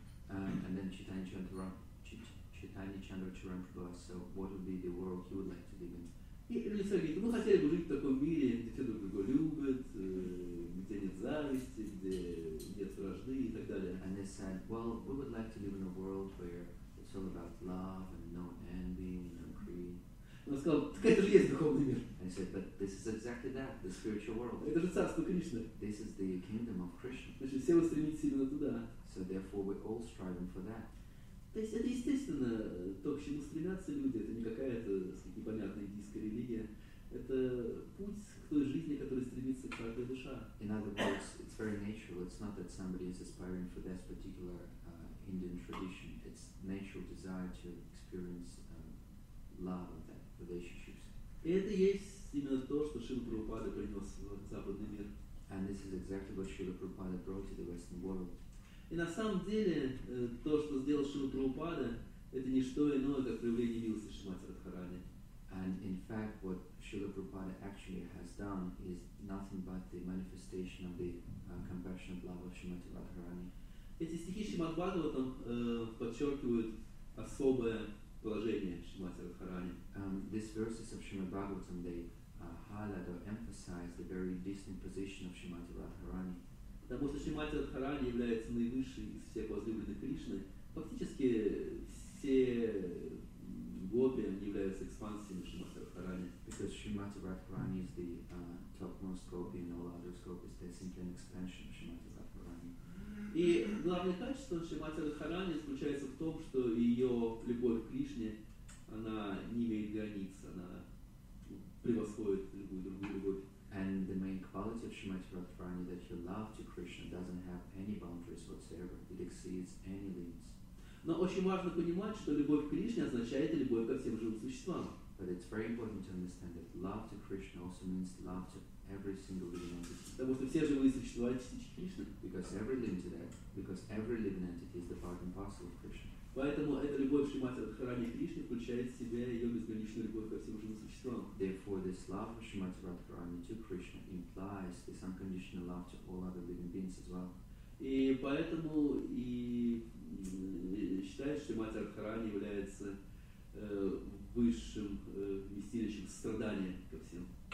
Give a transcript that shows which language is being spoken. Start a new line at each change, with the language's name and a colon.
English: And then Chaitanya Chandra Prabhu asked, so what would be the world he would like to live in?
Russian: И люди говорят, мы хотели бы жить в таком мире, где все друг друга любят, где нет зависти, где нет вражды и так далее.
English: And they said, well, we would like to live in a world where it's all about love and no envy, no greed.
Russian: Он сказал, так это же есть духовный мир.
English: And he said, but this is exactly that, the spiritual world.
Russian: Это же царство Кришны.
English: This is the kingdom of Krishna.
Russian: Значит, все вы стремитесь именно туда.
English: So therefore, we're all striving for that.
Russian: То есть это естественно, то, к чему стремятся люди, это не какая-то непонятная индийская религия. Это путь к той жизни, к которой стремится каждая душа.
English: In other words, it's very natural. It's not that somebody is aspiring for this particular Indian tradition. It's natural desire to experience love and that relationships.
Russian: И это есть именно то, что Шрила Прабхупада принес в западный мир.
English: And this is exactly what Srila Prabhupada brought to the Western world.
Russian: И на самом деле, то, что сделал Шрила Прабхупада, это не что иное, как проявление милости Шримати Радхарани.
English: And in fact, what Srila Prabhupada actually has done is nothing but the manifestation of the compassionate love of Shrimati Radharani.
Russian: Эти стихи Шримад-Бхагаватам подчеркивают особое положение Шримати Радхарани.
English: These verses of Шримад-Бхагаватам, they highlight or emphasize the very distinct position of Shrimati Radharani.
Russian: Потому что Шримати Радхарани является наивысшей из всех возлюбленных Кришны. Фактически все гопи являются экспансиями Шримати Радхарани.
English: Because Shrimati Radharani is the topmost gopi and all other gopis, they're simply an expansion of Shrimati Radharani.
Russian: И главное качество Шримати Радхарани заключается в том, что ее любовь к Кришне, она не имеет границ, она превосходит любую другую любовь.
English: And the main quality of Shrimati Radharani that her love to Krishna doesn't have any boundaries whatsoever. It exceeds any limits.
Russian: Но очень важно понимать, что любовь к Кришне означает любовь ко всем живым существам.
English: But it's very important to understand that love to Krishna also means love to every single living entity.
Russian: Потому что все живые существа — частички Кришны.
English: Because every living entity is the part and parcel of Krishna.
Russian: Поэтому эта любовь Шримати Радхарани Кришне включает в себя ее безграничную любовь ко всем живым существам.
English: Therefore, this love of Shrimati Radharani to Krishna implies this unconditional love to all other living beings as well.
Russian: И поэтому и считается, что Шримати Радхарани является высшим вместилищем страдания ко всем.